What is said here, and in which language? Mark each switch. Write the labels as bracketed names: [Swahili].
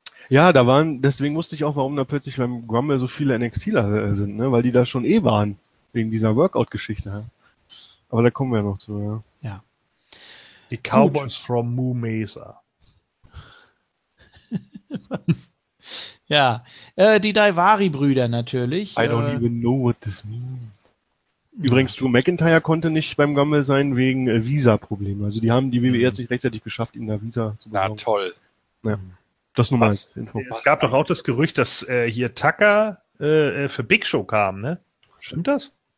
[German] Ja, da waren, deswegen wusste ich auch, warum da plötzlich beim Grumble so viele NXTler sind, ne? Weil die da schon eh waren, wegen dieser Workout-Geschichte. Ne? Aber da kommen wir noch zu, ja. Ja. Die Cowboys gut. From Moo Mesa. Ja, die Daivari-Brüder natürlich. [English] I don't even know what this means. [German] Übrigens, Drew McIntyre konnte nicht beim Gumball sein wegen Visa-Probleme. Also die haben die WWE jetzt nicht rechtzeitig geschafft, ihm da Visa zu bekommen. Na toll. Ja, das nur mal als Info. Es gab doch auch das Gerücht, dass hier Tucker für Big Show kam, ne? Stimmt das?